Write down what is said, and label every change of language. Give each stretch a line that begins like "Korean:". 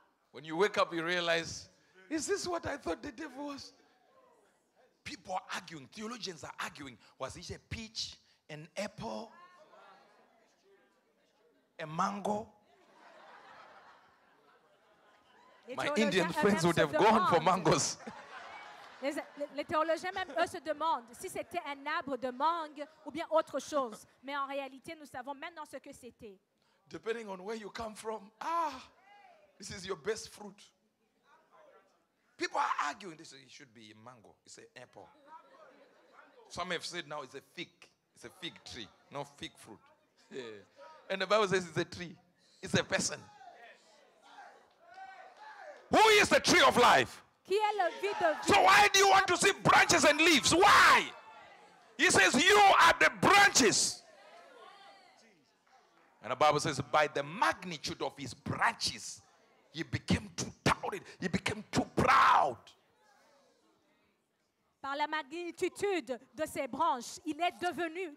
English: When you wake up, you realize, is this what I thought the devil was? People are arguing. Theologians are arguing. Was it a peach, an apple, a mango? My Indian friends would have gone for mangoes.
French: Les théologiens même eux se demandent si c'était un arbre de mangue ou bien autre chose. Mais en réalité, nous savons maintenant ce que c'était.
English: Depending on where you come from, this is your best fruit. People are arguing. They say it should be a mango. It's an apple. Some have said now it's a fig. It's a fig tree, not fig fruit. Yeah. And the Bible says it's a tree. It's a person. Who is the tree of life? So why do you want to see branches and leaves? Why? He says you are the branches. And the Bible says by the magnitude of his branches, he became too touted. He became too proud.
French: Par la magnitude de ses branches, il est devenu trop